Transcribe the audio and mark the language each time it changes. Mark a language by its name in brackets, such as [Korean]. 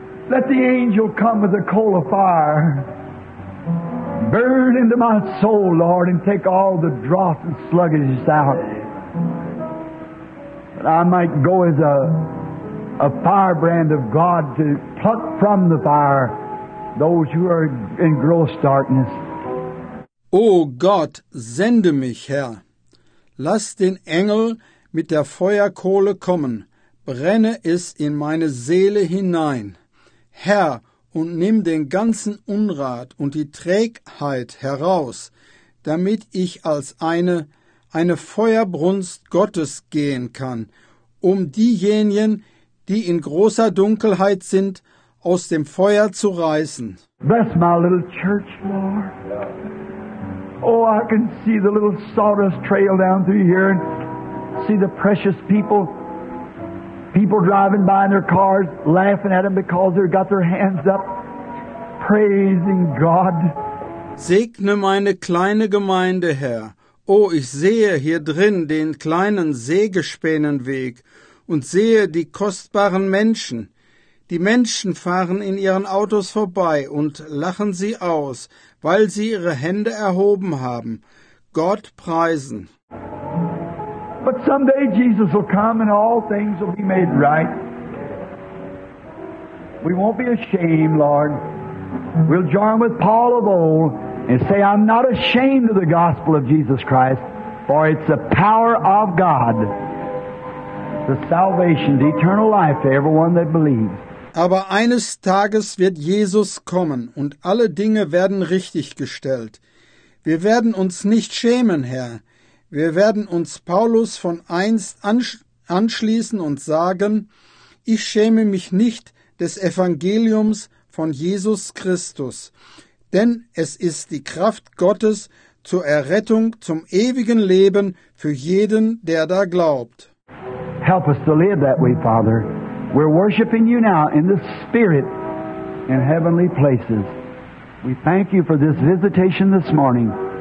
[English] Let the angel come with a coal of fire. Burn into my soul, Lord, and take all the dross and sluggishness out. That I might go as a firebrand of God to pluck from the fire those who are in gross darkness. [German] O Gott, sende mich, Herr. Lass den Engel mit der Feuerkohle kommen. Brenne es in meine Seele hinein. Herr, und nimm den ganzen Unrat und die Trägheit heraus, damit ich als eine Feuerbrunst Gottes gehen kann, um diejenigen, die in großer Dunkelheit sind, aus dem Feuer zu reißen. [English] Bless my little church, Lord. Oh, I can see the little sawdust trail down through here and see the precious people. People driving by in their cars, laughing at them because they've got their hands up, praising God. [German] Segne meine kleine Gemeinde, Herr. Oh, ich sehe hier drin den kleinen Sägespänenweg. Und sehe die kostbaren Menschen. Die Menschen fahren in ihren Autos vorbei und lachen sie aus, weil sie ihre Hände erhoben haben. Gott preisen. [English] But someday Jesus will come and all things will be made right. We won't be ashamed, Lord. We'll join with Paul of old and say, I'm not ashamed of the gospel of Jesus Christ, for it's the power of God, the salvation, the eternal life to everyone that believes. [German] Aber eines Tages wird Jesus kommen und alle Dinge werden richtig gestellt. Wir werden uns nicht schämen, Herr. Wir werden uns Paulus von einst anschließen und sagen, ich schäme mich nicht des Evangeliums von Jesus Christus, denn es ist die Kraft Gottes zur Errettung, zum ewigen Leben für jeden, der da glaubt. [English] Help us to live that way, Father. We're worshiping you now in the Spirit in heavenly places. We thank you for this visitation this morning.